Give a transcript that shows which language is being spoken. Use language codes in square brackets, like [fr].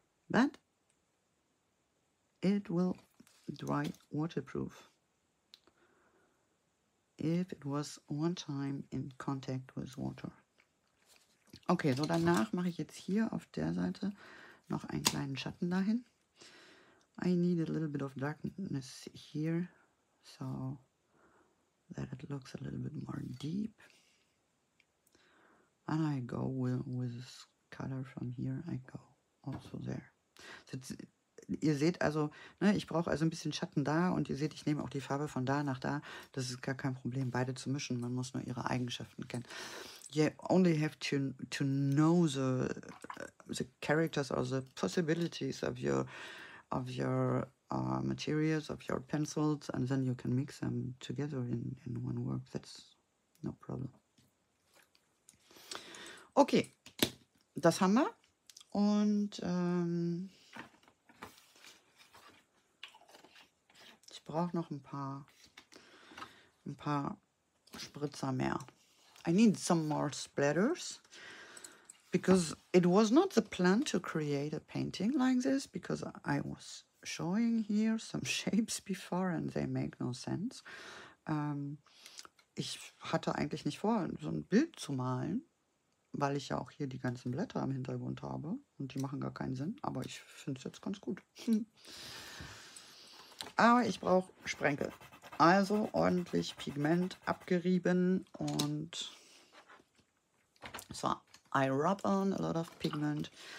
[en] But it will dry waterproof if it was one time in contact with water. [de] Okay, so danach mache ich jetzt hier auf der Seite noch einen kleinen Schatten dahin. [en] I need a little bit of darkness here, so that it looks a little bit more deep. And I go with this color from here, I go also there. [de] So ihr seht also, ne, ich brauche also ein bisschen Schatten da und ihr seht, ich nehme auch die Farbe von da nach da. Das ist gar kein Problem, beide zu mischen. Man muss nur ihre Eigenschaften kennen. [en] You only have to know the characters or the possibilities of your materials, of your pencils, and then you can mix them together in one work. That's no problem. [de] Okay, das haben wir. Und ich brauche noch ein paar Spritzer mehr. [en] I need some more splatters because it was not the plan to create a painting like this because I was showing here some shapes before and they make no sense. [de] Ich hatte eigentlich nicht vor, so ein Bild zu malen, weil ich ja auch hier die ganzen Blätter im Hintergrund habe und die machen gar keinen Sinn, aber ich finde es jetzt ganz gut. Aber ich brauche Sprenkel. Also ordentlich Pigment abgerieben und so, [en] I rub on a lot of pigment.